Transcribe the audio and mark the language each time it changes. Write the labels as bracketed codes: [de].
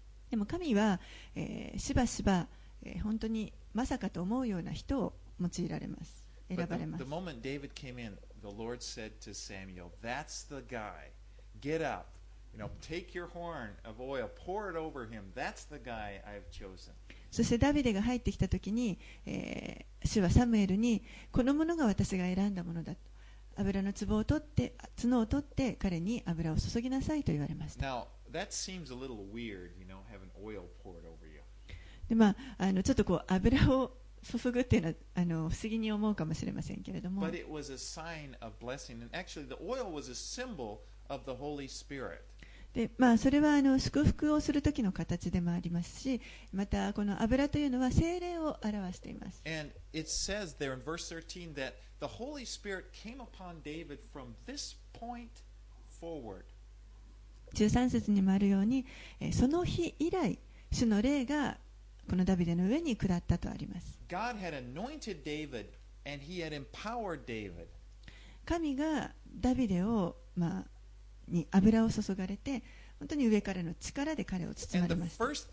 [ja] でも神は、しばしば、本当にまさかと思うような人を用いられます、選ばれます。 [en] The moment David came in, the Lord said to Samuel, that's the guy, get up, you know, take your horn of oil, pour it over him, that's the guy I've chosen. [ja] そしてダビデが入ってきたときに、主はサムエルに、このものが私が選んだものだと、油の壺を取って、角を取って彼に油を注ぎなさいと言われました。 [en] Now, that seems a little weird, you know, having oil poured over you. [ja] で、ちょっとこう油を注ぐっていうのは不思議に思うかもしれませんけれども、 [en] But it was a sign of blessing. And actually, the oil was a symbol of the Holy Spirit. [ja] で、それは祝福をする時の形でもありますし、またこの油というのは聖霊を表しています。 [en] And it says there in verse 13 that the Holy Spirit came upon David from this point forward. [ja] 13節にもあるように、その日以来主の霊がこのダビデの上に下ったとあります。 [en] God had anointed David and he had empowered David. [ja] 神がダビデをに油を注がれて、本当に上からの力で彼を包まれました。